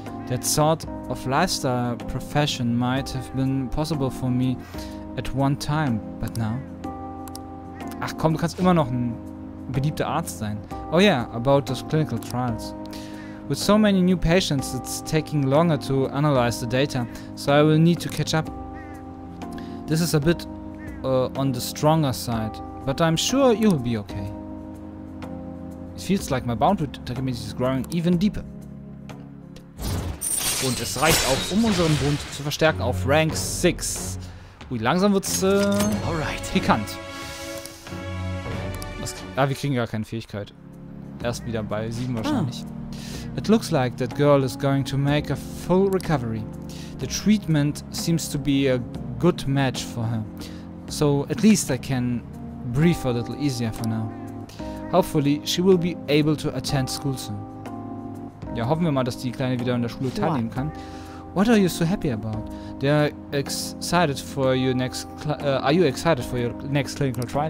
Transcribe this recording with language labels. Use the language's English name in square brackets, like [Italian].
[English] That sort of lifestyle profession might have been possible for me at one time, but now? [German] Ach komm, du kannst immer noch ein beliebter Arzt sein. [English] Oh yeah, about those clinical trials. With so many new patients, it's taking longer to analyze the data, so I will need to catch up. This is a bit on the stronger side, but I'm sure you will be okay. It feels like my bond with Takemichi is growing even deeper. [German] Und es reicht auch, um unseren Bund zu verstärken auf Rank 6. Ui, langsam wird's pikant. Wir kriegen gar keine Fähigkeit. Erst wieder bei 7 wahrscheinlich. [English] It looks like that girl is going to make a full recovery. The treatment seems to be a good match for her. So at least I can breathe a little easier for now. Hopefully she will be able to attend school soon. [German] Ja, hoffen wir mal, dass die Kleine wieder in der Schule teilnehmen kann. [English] What are you so happy about? They're excited for your next are you excited for your next clinical trial?